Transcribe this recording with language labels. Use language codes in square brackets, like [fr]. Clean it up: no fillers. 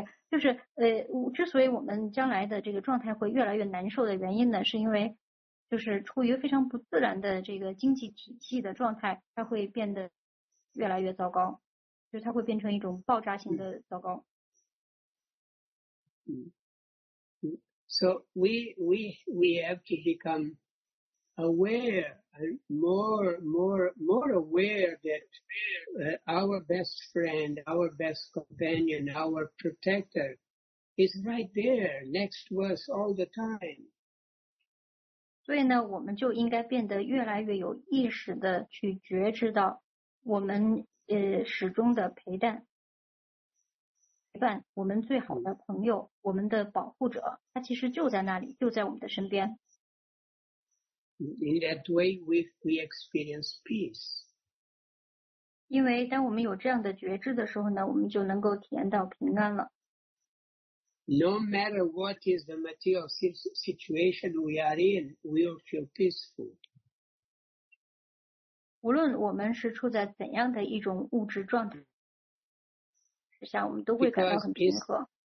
[zh] 就是之所以我们将来的这个状态会越来越难受的原因呢是因为就是处于非常不自然的这个经济体系的状态，它会变得越来越糟糕，就是它会变成一种爆炸性的糟糕。 [en] So we have to become aware and more aware that our best friend, our best companion, our protector is right there next to us all the time. [zh] 所以呢我们就应该变得越来越有意识的去觉知到我们始终的陪伴我们最好的朋友我们的保护者他其实就在那里就在我们的身边。 [en] In that way we experience peace. [zh] 因为当我们有这样的觉知的时候呢我们就能够体验到平安了。 [en] No matter what is the material situation we are in, we will feel peaceful. [zh] 无论我们是处在怎样的一种物质状态之下，我们都会感到很平和。